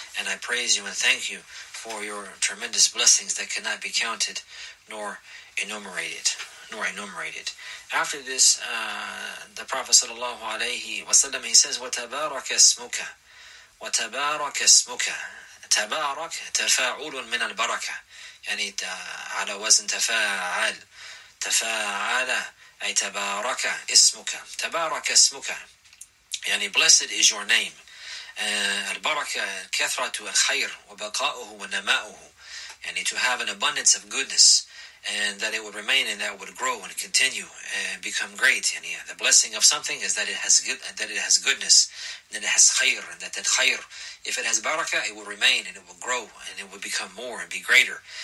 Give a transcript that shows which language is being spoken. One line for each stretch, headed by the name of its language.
English: And I praise You and thank You for Your tremendous blessings that cannot be counted nor enumerated. After this, the Prophet sallallahu alayhi wa sallam, he says,
Arabic: وَتَبَارَكَ اسْمُكَ وَتَبَارَكَ اسْمُكَ تَبَارَكْ تَفَاعُلٌ مِنَ الْبَرَكَةِ. يعني على وزن تفاعل تفاعل أي تبارك اسمك تبارك اسمك يعني
English: blessed is your name.
Arabic: البركة كثرة الخير وبقاؤه ونماؤه, يعني
English: to have an abundance of goodness and that it would remain and that would grow and continue and become great.
Arabic: يعني
English: the blessing of something is that it has good, that it has goodness, and that it has خير, and that that خير, if it has baraka, it will remain and it will grow and it will become more and be greater.